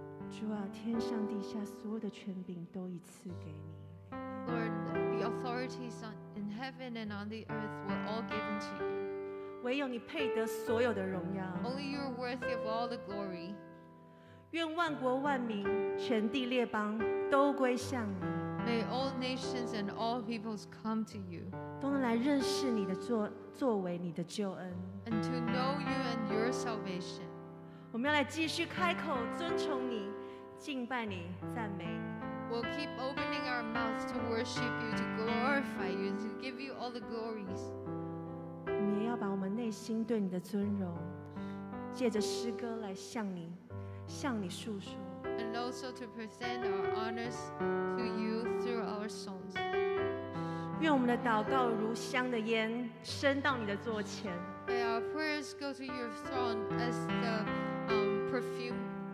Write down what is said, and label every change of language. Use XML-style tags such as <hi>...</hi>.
<zh>主啊，天上地下所有的权柄都已赐给你。</zh> <en>Lord, the authorities in heaven and on the earth were all given to you.</en> <zh>唯有你配得所有的荣耀。</zh> <en>Only you are worthy of all the glory.</en> <zh>愿万国万民、全地列邦都归向你。</zh> <en>May all nations and all peoples come to you.</en> <zh>都能来认识你的作为、你的救恩。</zh> <en>And to know you and your salvation.</en> <zh>我们要来继续开口尊崇你。敬拜你，赞美你。</zh> <en>We'll keep opening our mouths to worship you, to glorify you, to give you all the glories.</en> <zh>我们也要把我们内心对你的尊荣，借着诗歌来向你述说。</zh> <en>And also to present our honors to you through our songs.</en> <zh>愿我们的祷告如香的烟，升到你的座前。</zh> <en>May our prayers go to your throne as the perfume.</en>